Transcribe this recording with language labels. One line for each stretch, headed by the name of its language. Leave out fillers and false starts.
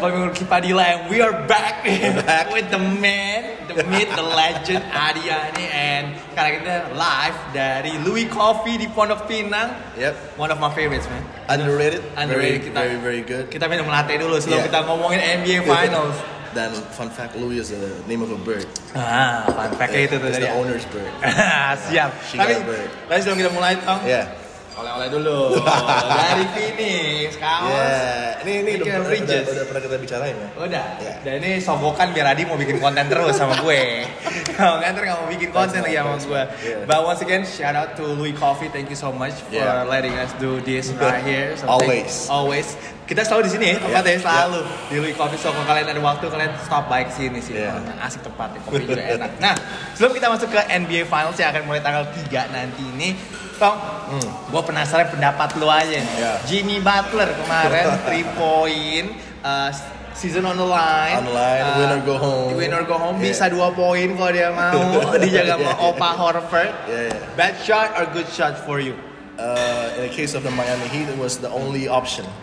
English: Bapak Ibu Kipadila, and we are back, back with the man, the myth, the legend, Adiani.
Indonesian: And sekarang kita live dari Louis Coffee di Pondok Pinang.
English: Yep. One of my favorites, man. Underrated. Very good.
Indonesian: Kita minum latte dulu sebelum kita ngomongin NBA Finals.
English: Dan fun fact, Louis is the name of a bird.
Indonesian: Fun fact itu tadi.
English: It's the owner's bird.
Indonesian: Siap. Tapi, let's dong kita mulai, Tom.
English: Yeah.
Indonesian: Oleh-oleh dulu dari Phoenix kaos. Ini udah pernah kita bicarain ya. Udah. Dan ini sombokan biar Adi mau bikin konten terus sama gue. Kalau nggak terus nggak mau bikin konten lagi sama gue.
English: But once again, shout out to Louis Coffee. Thank you so much for letting us do this right here. Always.
Indonesian: Kita selalu di sini, tempatnya selalu di Louis Coffee. So kalau kalian ada waktu, kalian stop by kesini sih. Asik tempatnya, kopi juga enak. Nah, sebelum kita masuk ke NBA Finals yang akan mulai tanggal 3 nanti ini. Tong, gue penasaran pendapat lu aja nih. Jimmy Butler kemarin 3 poin, season on the line.
English: Win or go home.
Indonesian: Win or go home, bisa 2 poin kalau dia mau. Dijaga sama Opa Horford.
English: Bad shot or good shot for you? In the case of the Miami Heat, it was the only option.